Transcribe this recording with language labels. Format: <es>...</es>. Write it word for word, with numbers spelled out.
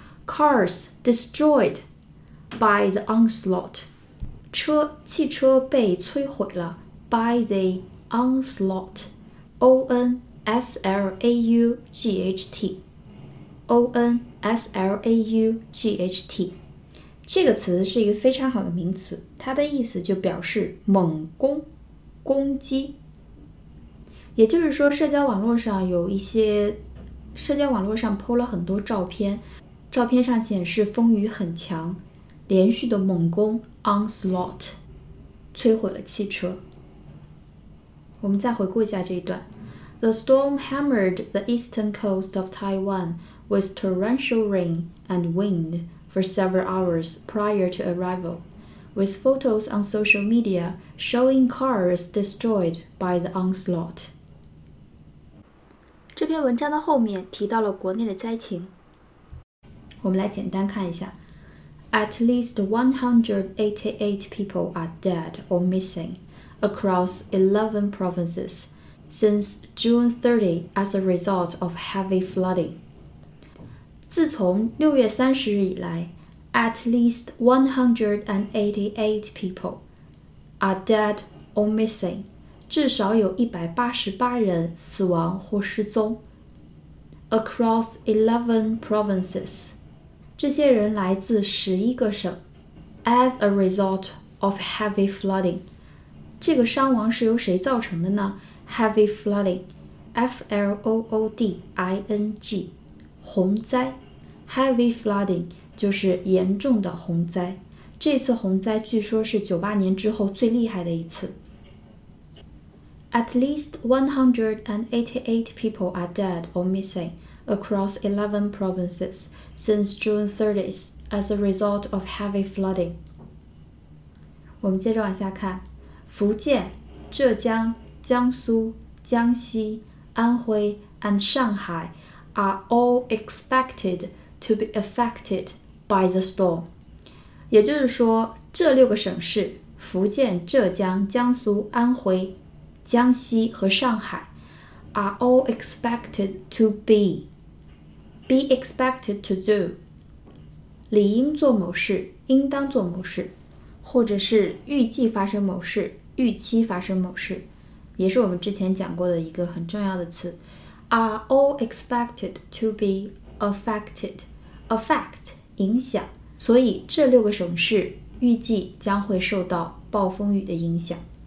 <en>Cars destroyed by the onslaught</en> <zh>车汽车被摧毁了</zh> <en>by the onslaught</en> <zh>O-N-S-L-A-U-G-H-T O-N-S-L-A-U-G-H-T 这个词是一个非常好的名词，它的意思就表示猛攻攻击，也就是说社交网络上有一些社交网络上 po 了很多照片，照片上显示风雨很强，连续的猛攻 onslaught 摧毁了汽车。我们再回顾一下这一段</zh> <en>The storm hammered the eastern coast of Taiwan with torrential rain and wind for several hours prior to arrival, with photos on social media showing cars destroyed by the onslaught.</en> <zh>这篇文章的后面提到了国内的灾情，我们来简单看一下。</zh> <en>At least one hundred eighty-eight people are dead or missing across eleven provinces since June thirtieth as a result of heavy flooding.</en> <zh>自从六月三十日以来</zh> <en>at least one hundred eighty-eight people are dead or missing</en> <zh>至少有一百八十八人死亡或失踪</zh> <en>across eleven provinces</en> <zh>这些人来自十一个省</zh> <en>as a result of heavy flooding</en> <zh>这个伤亡是由谁造成的呢？ heavy flooding F-L-O-O-D-I-N-G 洪灾 heavy flooding 就是严重的洪灾，这次洪灾据说是九八年之后最厉害的一次。</zh> <en>At least one hundred eighty-eight people are dead or missing across eleven provinces since June thirtieth as a result of heavy flooding.</en> <zh>我们接着往下看，福建、浙江、江苏、江西、安徽 and 上海</zh> <en>are all expected to be affected by the storm.</en> <zh>也就是说，这六个省市，福建、浙江、江苏、安徽、江西和上海</zh> <en>are all expected to be be expected to do</en> <zh>理应做某事，应当做某事，或者是预计发生某事，预期发生某事，也是我们之前讲过的一个很重要的词</zh> <en>are all expected to be affected</en> <zh>affect 影响，所以这六个省市预计将会受到暴风雨的影响。</zh>